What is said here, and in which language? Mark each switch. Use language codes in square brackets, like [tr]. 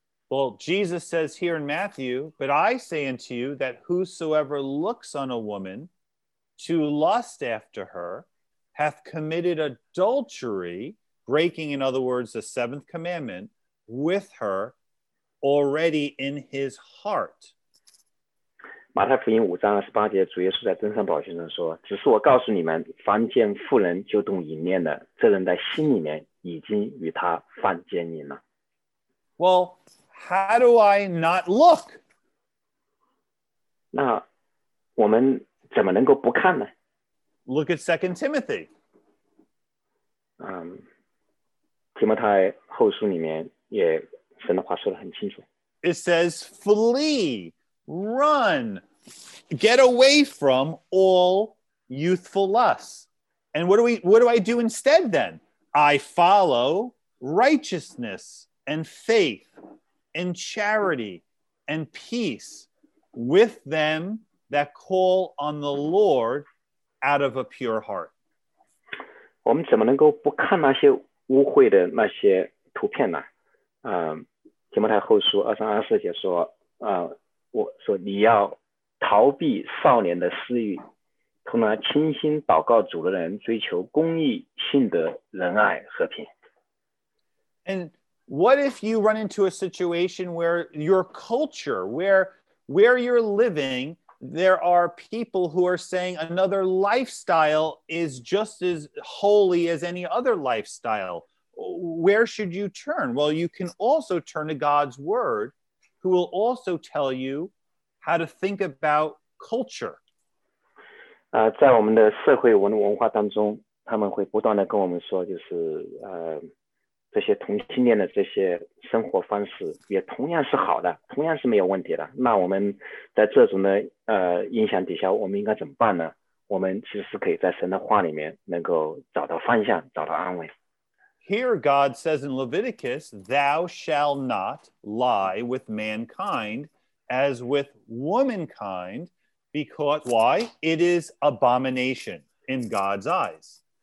[en] Well, Jesus says here in Matthew, but I say unto you that whosoever looks on a woman to lust after her hath committed adultery, breaking, in other words, the seventh commandment, with her already in his heart. [zh] 马太福音五章二十八节，主耶稣在登山宝训上说：“只是我告诉你们，凡见妇人就动淫念的，这人在心里面已经与她犯奸淫了。” [en] Well, how do I not look? [zh] 那我们怎么能够不看呢？ [en] Look at 2 Timothy. [zh] 提摩太后书里面也神的话说得很清楚。 [en] It says, flee, run, get away from all youthful lusts. And what do I do instead then? I follow righteousness and faith and charity and peace with them that call on the Lord out of a pure heart. [zh] 我们怎么能够不看那些污秽的那些图片呢？提摩太后书二三二四节说，我说你要逃避少年的私欲，同那清心祷告主的人追求公义、信德、仁爱、和平。 [en] And what if you run into a situation where your culture, where you're living, there are people who are saying another lifestyle is just as holy as any other lifestyle? Where should you turn? Well, you can also turn to God's word, who will also tell you how to think about culture. [zh] 在我们的社会文化当中，他们会不断地跟我们说，就是这些同性恋的这些生活方式也同样是好的，同样是没有问题的。那我们在这种的影响底下，我们应该怎么办呢？我们其实是可以在神的话里面能够找到方向，找到安慰。 [en] Here God says in Leviticus, thou shall not lie with mankind as with womankind, because why? It is abomination in God's eyes.